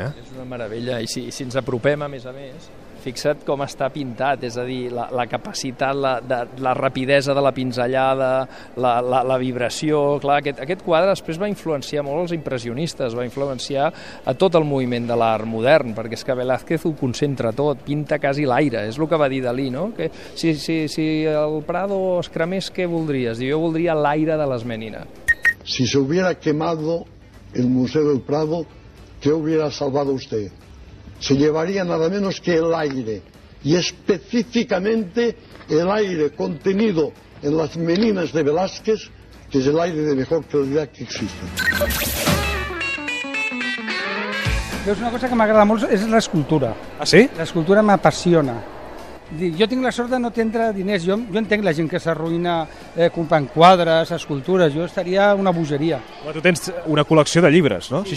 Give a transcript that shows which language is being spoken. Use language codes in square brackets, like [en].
[ca] És una meravella, i si ens apropem, a més, fixa't com està pintat, és a dir, la capacitat, la rapidesa de la pinzellada, la vibració, clar, aquest quadre després va influenciar molt els impressionistes, va influenciar a tot el moviment de l'art modern, perquè és que Velázquez ho concentra tot, pinta quasi l'aire, és el que va dir Dalí, no? Que si el Prado es cremés, què voldries? Jo voldria l'aire de les Menines. [es] Si se hubiera quemado el Museo del Prado, ¿qué hubiera salvado usted? Se llevaría nada menos que el aire, y específicamente el aire contenido en las Menines de Velázquez, que es el aire de mejor calidad que existe. [ca] Veus, una cosa que m'agrada molt és l'escultura. Ah, sí? L'escultura m'apassiona. Jo tinc la sort de no tindre diners. Jo entenc la gent que s'arruïna comprant quadres, escultures. Jo estaria una bogeria. Tu tens una col·lecció de llibres, no? Sí.